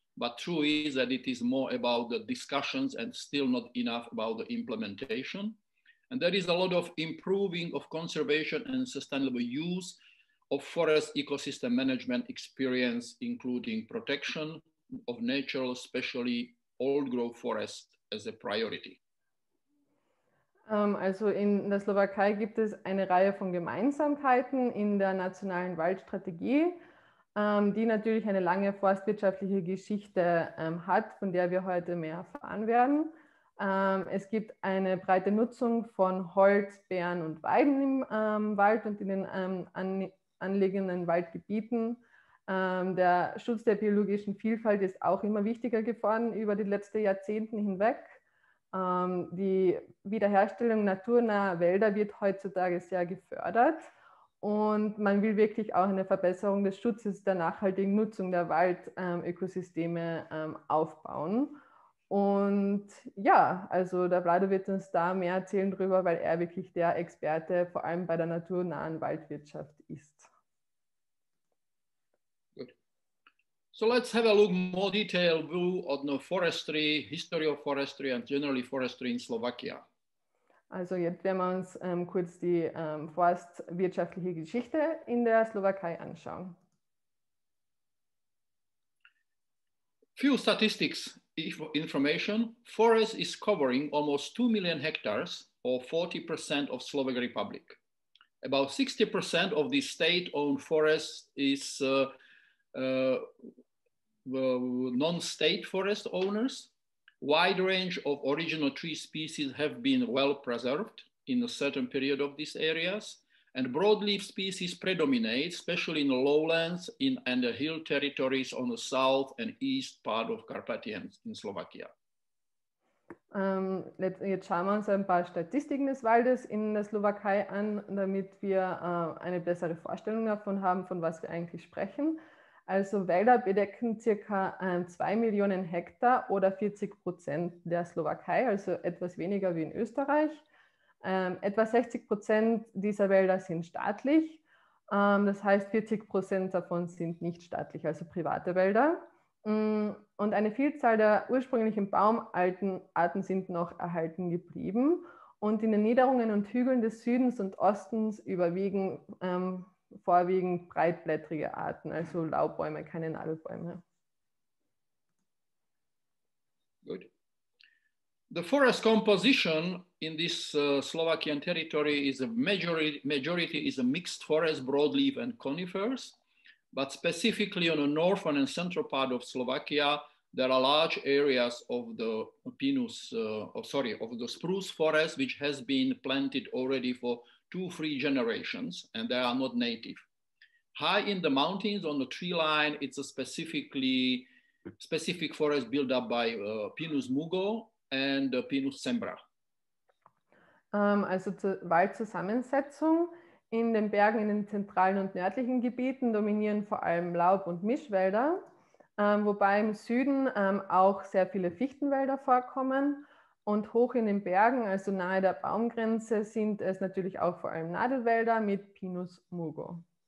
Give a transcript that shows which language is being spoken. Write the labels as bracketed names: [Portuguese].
[English] But true is that it is more about the discussions and still not enough about the implementation. And there is a lot of improving of conservation and sustainable use of forest ecosystem management experience, including protection of natural, especially old growth forest as a priority. [German] Also in der Slowakei gibt es eine Reihe von Gemeinsamkeiten in der nationalen Waldstrategie, die natürlich eine lange forstwirtschaftliche Geschichte hat, von der wir heute mehr erfahren werden. Es gibt eine breite Nutzung von Holz, Beeren und Weiden im Wald und in den anliegenden Waldgebieten. Der Schutz der biologischen Vielfalt ist auch immer wichtiger geworden über die letzten Jahrzehnte hinweg. Die Wiederherstellung naturnaher Wälder wird heutzutage sehr gefördert und man will wirklich auch eine Verbesserung des Schutzes der nachhaltigen Nutzung der Waldökosysteme aufbauen. Und ja, also der Vlado wird uns da mehr erzählen drüber, weil er wirklich der Experte vor allem bei der naturnahen Waldwirtschaft ist. [English] So let's have a look more detailed view on the forestry, history of forestry and generally forestry in Slovakia. [German] Also jetzt werden wir uns kurz die forstwirtschaftliche Geschichte in der Slowakei anschauen. [English] Few statistics, information. Forest is covering almost 2 million hectares or 40% of Slovak Republic. About 60% of the state-owned forest is non-state forest owners. Wide range of original tree species have been well preserved in a certain period of these areas, and broadleaf species predominate, especially in the lowlands in and the hill territories on the south and east part of Carpathians in Slovakia. [German] Jetzt schauen wir uns ein paar Statistiken des Waldes in der Slowakei an, damit wir eine bessere Vorstellung davon haben, von was wir eigentlich sprechen. Also Wälder bedecken ca. 2 Millionen Hektar oder 40% der Slowakei, also etwas weniger wie in Österreich. Etwa 60% dieser Wälder sind staatlich, das heißt 40% davon sind nicht staatlich, also private Wälder. Und eine Vielzahl der ursprünglichen Baumarten sind noch erhalten geblieben. Und in den Niederungen und Hügeln des Südens und Ostens überwiegen vorwiegend breitblättrige Arten, also Laubbäume, keine Nadelbäume. [English] Good. The forest composition in this Slovakian territory is a majority is a mixed forest, broadleaf and conifers, but specifically on the northern and central part of Slovakia, there are large areas of the spruce forest, which has been planted already for 2-3 generations, and they are not native. High in the mountains on the tree line, it's a specific forest built up by Pinus mugo and Pinus sembra. [German] Also zur Waldzusammensetzung. In den Bergen, in den zentralen und nördlichen Gebieten dominieren vor allem Laub- und Mischwälder, wobei im Süden auch sehr viele Fichtenwälder vorkommen. Und hoch in den Bergen, also nahe der Baumgrenze, sind es natürlich auch vor allem Nadelwälder mit Pinus mugo.